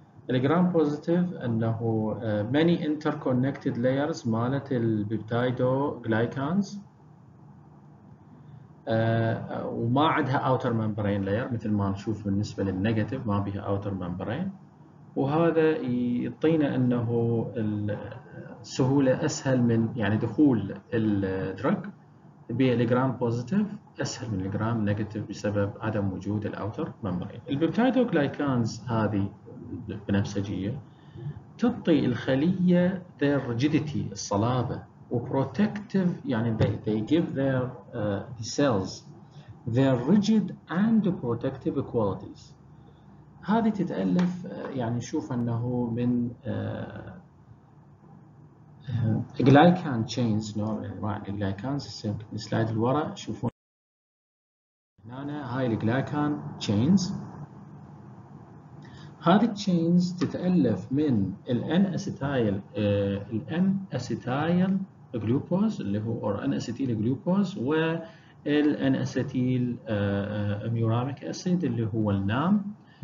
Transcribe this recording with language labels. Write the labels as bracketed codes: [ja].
[ar] الجرام بوزيتيف انه [en] many interconnected layers [ar] مالت البيبتايدو جلايكانز وما عندها اوتر ممبرين لاير مثل ما نشوف بالنسبه للنيجاتيف ما بها اوتر ممبرين، وهذا يعطينا انه السهوله اسهل من يعني دخول الدرج بالجرام بوزيتيف اسهل من الجرام نيجاتيف بسبب عدم وجود الاوتر ممبرين. البيبتايدو جلايكانز هذه بنفسجيه تعطي الخليه [en] their rigidity [ar] الصلابه وبروتكتيف، يعني [en] they give their cells their rigid and protective qualities. [ar] هذه تتالف يعني نشوف انه من جلايكان تشينز، نوع من انواع الجلايكانز. السلايد اللي ورا شوفون هنا هاي الجلايكان تشينز، هذه التشينز تتالف من الان اسيتايل الان اسيتايل جلوكوز اللي هو اور ان اسيتيل جلوكوز والان اسيتيل اميوراميك اسيد اللي هو النام،